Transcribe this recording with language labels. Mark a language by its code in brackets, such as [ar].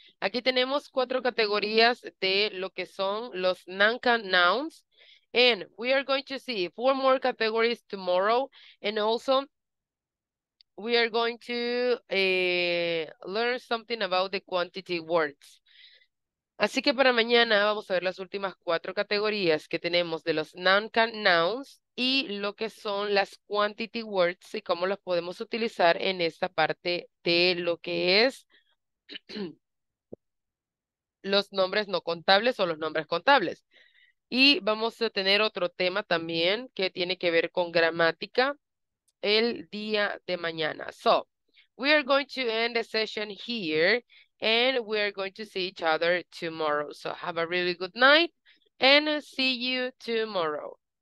[es] Aquí tenemos 4 categorías de lo que son los non-count nouns. [en] And we are going to see 4 more categories tomorrow. And also, we are going to learn something about the quantity words. [es] Así que para mañana vamos a ver las últimas 4 categorías que tenemos de los non-count nouns y lo que son las quantity words y cómo las podemos utilizar en esta parte de lo que es los nombres no contables o los nombres contables. Y vamos a tener otro tema también que tiene que ver con gramática el día de mañana. [en] So, we are going to end the session here and we are going to see each other tomorrow. So, have a really good night and see you tomorrow.